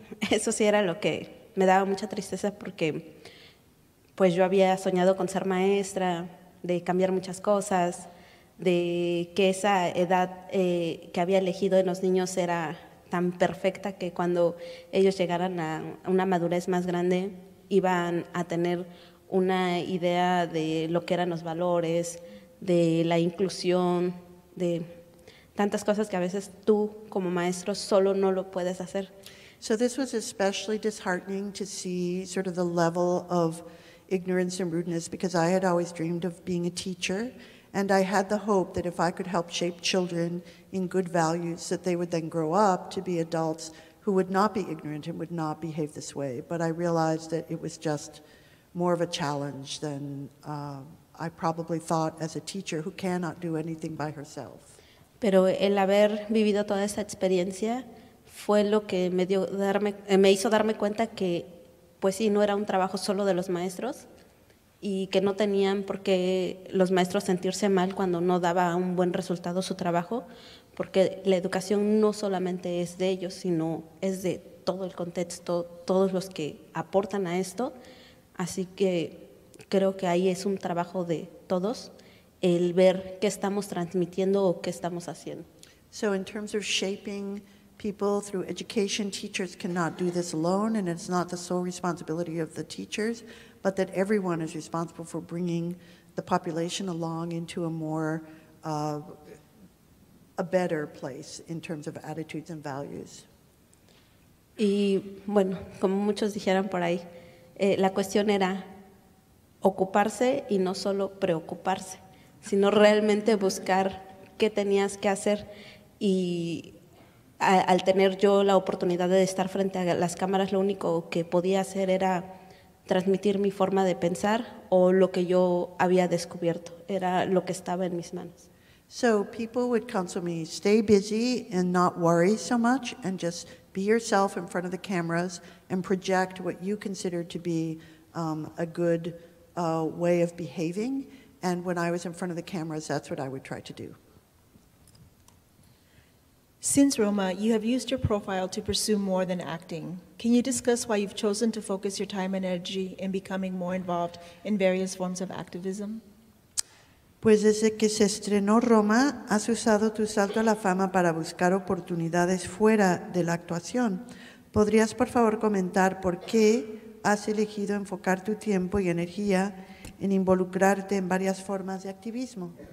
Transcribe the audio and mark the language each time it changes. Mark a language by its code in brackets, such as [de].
[es] Eso sí era lo que me daba mucha tristeza, porque pues yo había soñado con ser maestra, de cambiar muchas cosas, de que esa edad que había elegido en los niños era tan perfecta que cuando ellos llegaran a una madurez más grande iban a tener una idea de lo que eran los valores, de la inclusión, de tantas cosas que a veces tú como maestro solo no lo puedes hacer. [en] So this was especially disheartening to see sort of the level of ignorance and rudeness, because I had always dreamed of being a teacher, and I had the hope that if I could help shape children in good values, that they would then grow up to be adults who would not be ignorant and would not behave this way. But I realized that it was just more of a challenge than I probably thought as a teacher who cannot do anything by herself. [es] Pero el haber vivido toda esa experiencia fue lo que me hizo darme cuenta que, pues sí, no era un trabajo solo de los maestros, y que no tenían por qué los maestros sentirse mal cuando no daba un buen resultado su trabajo, porque la educación no solamente es de ellos, sino es de todo el contexto, todos los que aportan a esto. Así que creo que ahí es un trabajo de todos el ver qué estamos transmitiendo o qué estamos haciendo. [en] So in terms of shaping people through education, teachers cannot do this alone, and it's not the sole responsibility of the teachers, but that everyone is responsible for bringing the population along into a more a better place in terms of attitudes and values. [es] Y bueno, como muchos dijeron por ahí, la cuestión era ocuparse y no solo preocuparse, sino realmente buscar qué tenías que hacer. Y al tener yo la oportunidad de estar frente a las cámaras, lo único que podía hacer era transmitir mi forma de pensar o lo que yo había descubierto, era lo que estaba en mis manos. [en] So people would counsel me, stay busy and not worry so much and just be yourself in front of the cameras and project what you consider to be a good way of behaving. And when I was in front of the cameras, that's what I would try to do. Since Roma, you have used your profile to pursue more than acting. Can you discuss why you've chosen to focus your time and energy in becoming more involved in various forms of activism? [es] Pues desde que se estrenó Roma, has usado tu salto a la fama para buscar oportunidades fuera de la actuación. ¿Podrías, por favor, comentar por qué has elegido enfocar tu tiempo y energía en involucrarte en varias formas de activismo?